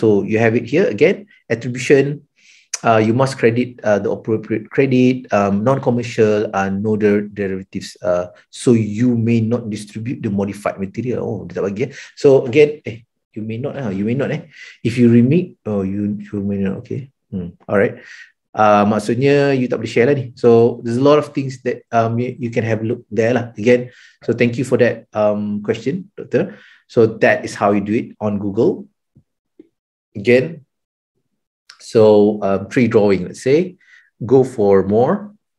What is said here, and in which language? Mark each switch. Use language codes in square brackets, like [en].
[en] So you have it here again, attribution. You must credit the appropriate credit, non-commercial, no derivatives. So you may not distribute the modified material. [ms] Oh, dia tak bagi, eh? [en] So again, you may not. If you remit, you may not. Okay. All right. [ms] Maksudnya you tak boleh share lah ni. [en] So there's a lot of things that you can have a look there lah. Again, so thank you for that question, doctor. So that is how you do it on Google. Again, so tree drawing, let's say, go for more.